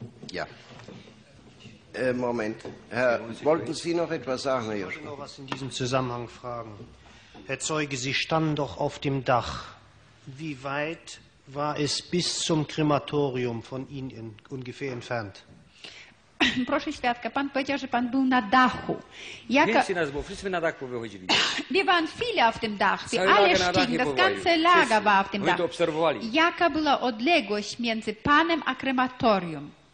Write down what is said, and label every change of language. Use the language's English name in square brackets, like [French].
[German] Ja. Moment. Herr, wollten Sie noch etwas sagen, Herr Joschka? Ich wollte noch was in diesem Zusammenhang fragen. Herr Zeuge, Sie standen doch auf dem Dach. Wie weit war es bis zum Krematorium von Ihnen ungefähr entfernt? [Polish] Proszę świadka, pan powiedział, że pan był na dachu. Jaka... Więcej nas było, wszyscy na dach wychodzili. [German] Wie pan, viele auf dem Dach, wie alle stiegen, das ganze Lager war auf dem Dach. [Polish] To obserwowali. Jaka była odległość między panem a krematorium?